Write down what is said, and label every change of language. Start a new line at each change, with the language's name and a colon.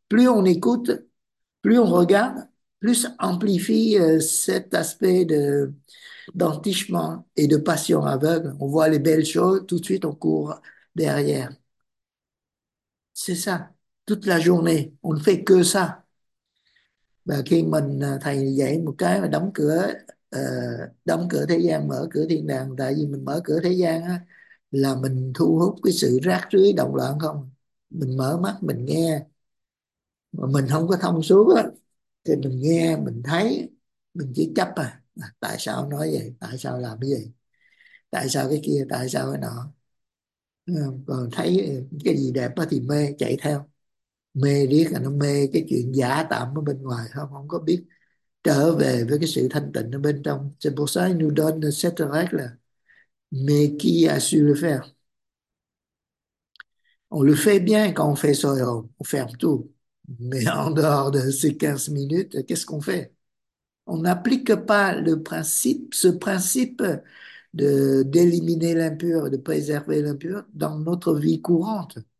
French: Plus on écoute, plus on regarde, plus amplifie cet aspect d'entichement et de passion aveugle. On voit les belles choses, tout de suite on court derrière. C'est ça. Toute la journée, on ne fait que ça.
Vietnamese: Và khi mình thầy dạy một cái mà đóng cửa thế gian, mở cửa thiên đàng, tại vì mình mở cửa thế gian á, là mình thu hút cái sự rác rưởi động loạn không. Mình mở mắt mình nghe mà mình không có thông suốt á, thì mình nghe mình thấy mình chỉ chấp à, tại sao nói vậy, tại sao làm cái gì, tại sao cái kia, tại sao cái nọ. Còn thấy cái gì đẹp á thì mê chạy theo, mê riết là nó mê cái chuyện giả tạm ở bên ngoài, không không có biết trở về với cái sự thanh tịnh ở bên trong.
French: C'est pour ça nous donne cette règle là mais qui a su le faire? On le fait bien quand on fait soi-même, on ferme tout. Mais en dehors de ces 15 minutes, qu'est-ce qu'on fait? On n'applique pas le principe, ce principe de d'éliminer l'impur et de préserver l'impur dans notre vie courante.